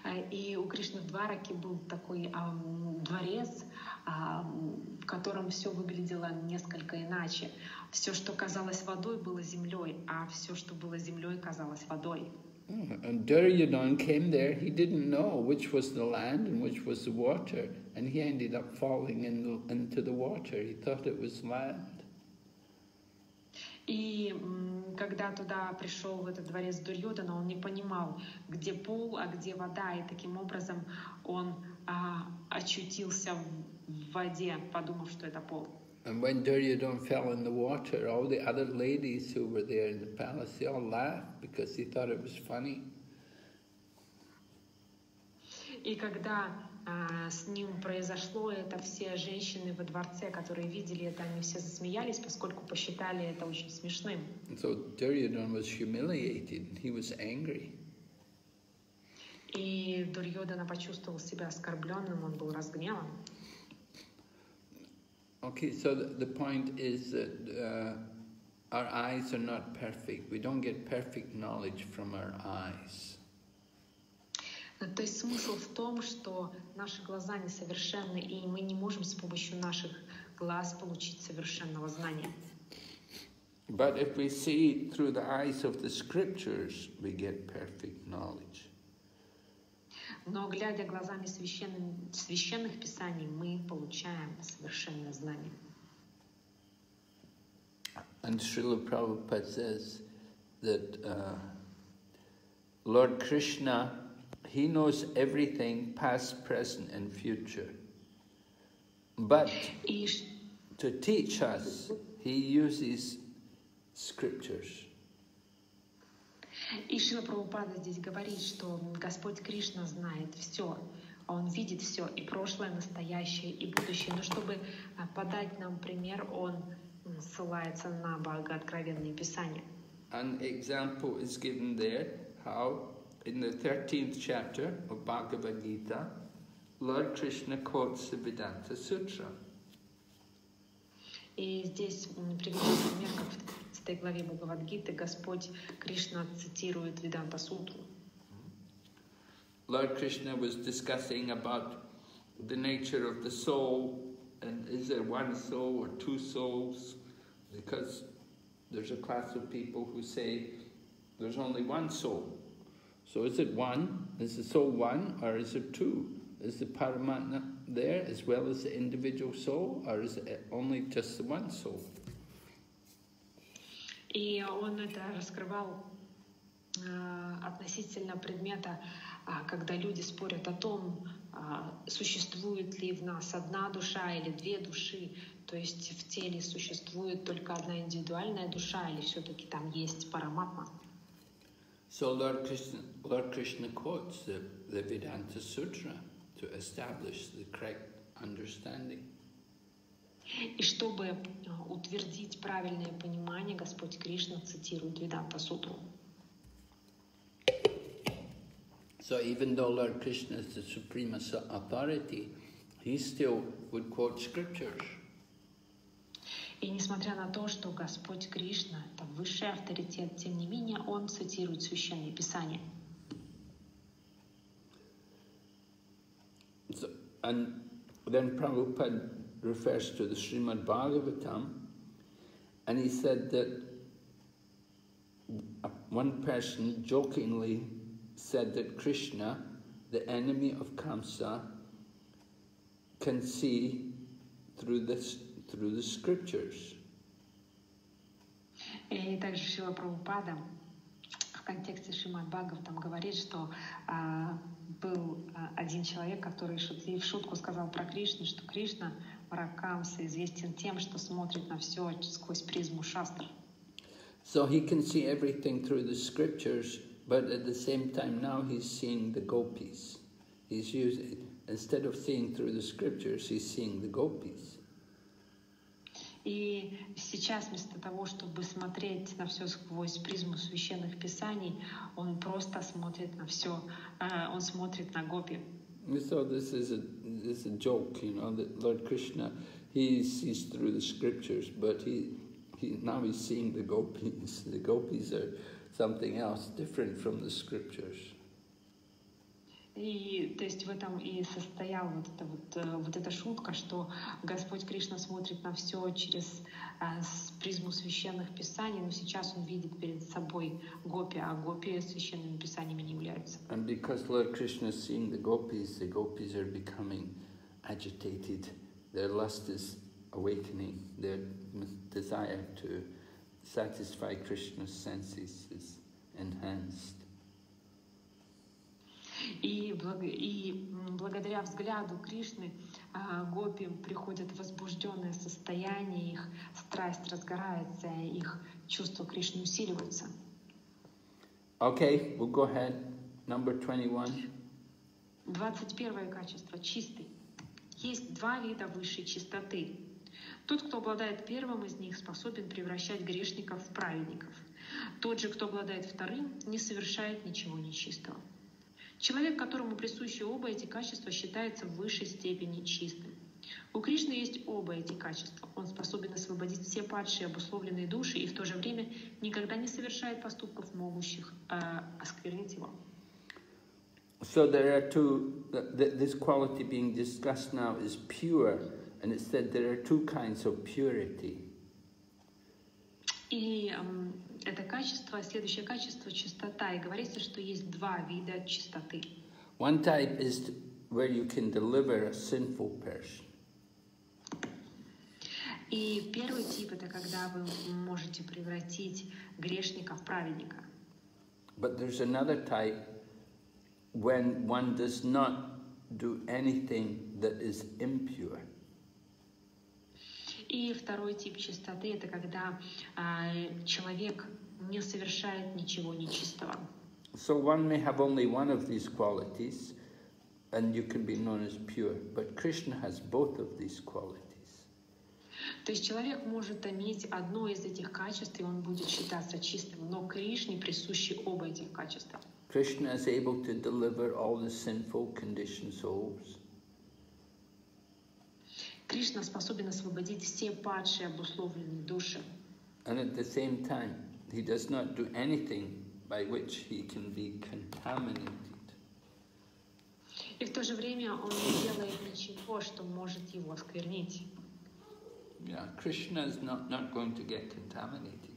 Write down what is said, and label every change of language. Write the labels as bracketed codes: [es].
[ru] И у Кришны в Двараке был такой дворец, в котором все выглядело несколько иначе. Все, что казалось водой, было землей, а все, что было землей, казалось водой. [en] And Duryodhan came there. He didn't know which was the land and which was the water, and he ended up falling into the water. He thought it was land. [ru] И когда туда пришел в этот дворец Дурьёдана, он не понимал, где пол, а где вода, и таким образом он очутился в воде, подумав, что это пол. [en] And when Duryodhan fell in the water, all the other ladies who were there in the palace, they all laughed because they thought it was funny. [ru] И когда с ним произошло это, все женщины во дворце, которые видели это, они все засмеялись, поскольку посчитали это очень смешным. [en] So Duryodhan was humiliated, he was angry. [ru] И Дурьёдана почувствовал себя оскорбленным, он был разгневан. [en] Okay, so the point is that our eyes are not perfect. We don't get perfect knowledge from our eyes. [ru] То есть смысл в том, что наши глаза несовершенны, и мы не можем с помощью наших глаз получить совершенного знания. [en] But if we see through the eyes of the scriptures, we get perfect knowledge. [ru] Но глядя глазами священных писаний, мы получаем совершенное знание. [en] And Srila Prabhupada says that Lord Krishna, he knows everything, past, present, and future. But to teach us, he uses scriptures. [ru] И Шрила Прабхупада здесь говорит, что Господь Кришна знает все, Он видит все, и прошлое, настоящее, и будущее. Но чтобы подать нам пример, Он ссылается на Богооткровенные Писания. [en] An example is given there, how in the 13th chapter of Bhagavad Gita, Lord Krishna quotes the Vedanta Sutra. [ru] И здесь приведен пример, как в этой главе Бхагавад-гиты Господь Кришна цитирует Веданта-сутру. [en] Lord Krishna was discussing about the nature of the soul, and is there one soul or two souls? Because there's a class of people who say there's only one soul. So is it one? Is the soul one, or is it two? Is the Paramatma there as well as the individual soul, or is it only just the one soul? [ru] И он это раскрывал относительно предмета, когда люди спорят о том, существует ли в нас одна душа или две души, то есть в теле существует только одна индивидуальная душа или все-таки там есть параматма. [en] So Lord Krishna quotes the Vedanta Sutra to establish the correct understanding. [ru] И чтобы утвердить правильное понимание, Господь Кришна цитирует Веданта Сутру. [en] So even though Lord Krishna is the supreme authority, he still would quote scriptures. [ru] И несмотря на то, что Господь Кришна – это высший авторитет, тем не менее он цитирует Священные Писания. [en] So, and then Prabhupada refers to the Srimad Bhagavatam, and he said that one person jokingly said that Krishna, the enemy of Kamsa, can see through the scriptures. And [ru] также Шрила Прабхупада в контексте Шримад Бхагаватам говорит, что был один человек, который в шутку сказал про Кришну, что Кришна Ракамса известен тем, что смотрит на все сквозь призму шастр. [en] So he can see everything through the scriptures, but at the same time now he's seeing the gopis. He's using, instead of seeing through the scriptures, he's seeing the gopis. [ru] И сейчас вместо того, чтобы смотреть на все сквозь призму священных писаний, он просто смотрит на все. Он смотрит на гопи. [en] So this is a joke, you know, that Lord Krishna, he sees through the scriptures, but he's seeing the gopis. The gopis are something else, different from the scriptures. [ru] И то есть в этом и состояла вот эта шутка, что Господь Кришна смотрит на все через призму священных писаний, но сейчас он видит перед собой гопи, а гопи священными писаниями не являются. [en] And because Lord Krishna is seeing the gopis are becoming agitated, their lust is awakening, their desire to satisfy Krishna's senses is enhanced. [ru] И благодаря взгляду Кришны гопи приходят в возбужденное состояние, их страсть разгорается, их чувство Кришны усиливается. [en] Okay, we'll go ahead. Number 21. [ru] 21 качество – чистый. Есть два вида высшей чистоты. Тот, кто обладает первым из них, способен превращать грешников в праведников. Тот же, кто обладает вторым, не совершает ничего нечистого. Человек, которому присущи оба эти качества, считается в высшей степени чистым. У Кришны есть оба эти качества. Он способен освободить все падшие обусловленные души и в то же время никогда не совершает поступков, могущих осквернить его. [en] So there are two, this quality being discussed now is pure, and it said there are two kinds of purity. [ru] И это качество, следующее качество – чистота. И говорится, что есть два вида чистоты. [en] One type is where you can deliver a sinful person. [ru] И первый тип – это когда вы можете превратить грешника в праведника. [en] But there's another type when one does not do anything that is impure. [ru] И второй тип чистоты – это когда человек не совершает ничего нечистого. [en] So one may have only one of these qualities, and you can be known as pure. But Krishna has both of these qualities. [ru] То есть человек может иметь одно из этих качеств, и он будет считаться чистым. Но Кришне присущи оба этих качества. [en] Krishna is able to deliver all the sinful conditioned souls. [ru] Кришна способен освободить все падшие обусловленные души. [en] And at the same time, he does not do anything by which he can be contaminated. [ru] И в то же время он не делает ничего, что может его осквернить. [en] Yeah, Krishna is not going to get contaminated.